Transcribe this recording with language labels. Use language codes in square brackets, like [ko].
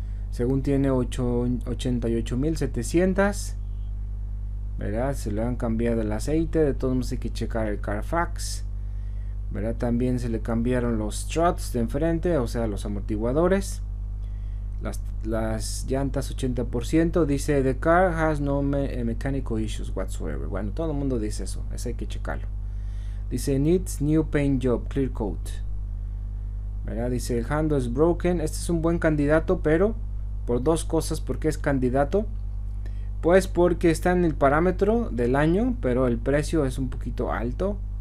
[es] Según tiene 88.700. ¿Verdad? Se le han cambiado el aceite. De todos modos hay que checar el Carfax. ¿Verdad? También se le cambiaron los struts de enfrente, o sea, los amortiguadores. Las llantas 80%. [en] Dice: The car has no mechanical issues whatsoever. [es] Bueno, todo el mundo dice eso. Eso hay que checarlo. Dice: [en] Needs new paint job, clear coat. [es] ¿Verdad? [en] Dice: El handle is broken. [es] Este es un buen candidato, pero por dos cosas. ¿Por qué es candidato? Pues porque está en el parámetro del año, pero el precio es un poquito alto.